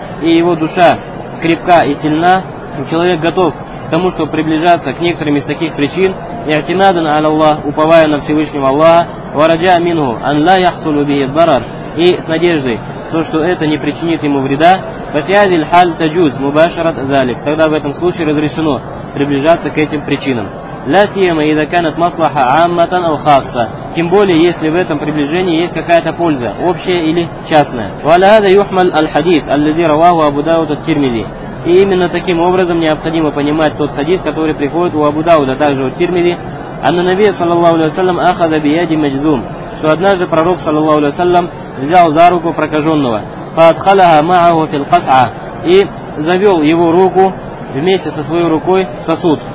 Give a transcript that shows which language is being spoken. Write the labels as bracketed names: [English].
[Russian] и его душа крепка и сильна, и человек готов к тому, чтобы приближаться к некоторым из таких причин, [Arabic] и'тимадан аля Аллах, [Russian] уповая на Всевышнего Аллаха, [Arabic] ва раджа минху ан ла яхсулу бихи ад-дарар, [Russian] и с надеждой то, что это не причинит ему вреда, [Arabic] فَفِيَذِ الْحَالِ تَجُوزْ مُبَاشَرَةً ذَلِكَ. [Russian] Тогда в этом случае разрешено приближаться к этим причинам. [Arabic] لَا سِيَمَ إِذَا كَانَتْ مَصْلَحَ عَامَّةً أَوْ خَاصَّةً. [Russian] Тем более, если в этом приближении есть какая-то польза, общая или частная. [Arabic] وَعَلَى هَذَا يُحْمَلُ الْحَدِيثُ الَّذِي رَوَاهُ أَبُو دَاوُدَ التِّرْمِذِي. [Russian] И именно таким образом необходимо понимать тот хадис, который приходит у Абу Дауда, также у Тирмизи. [Arabic] أَنَّ النَّبِيَّ صَلَّى اللَّهُ عَلَيْهِ وَسَلَّمَ أَخَذَ بِيَدِ مَجْذُومٍ. [Russian] Что однажды пророк, саллаллаху алейхи ва саллям, взял за руку прокаженного, [Arabic] فَأَدْخَلَهَا مَعَهُ فِي الْقَصْعَةِ, [Russian] и завел его руку вместе со своей рукой в сосуд.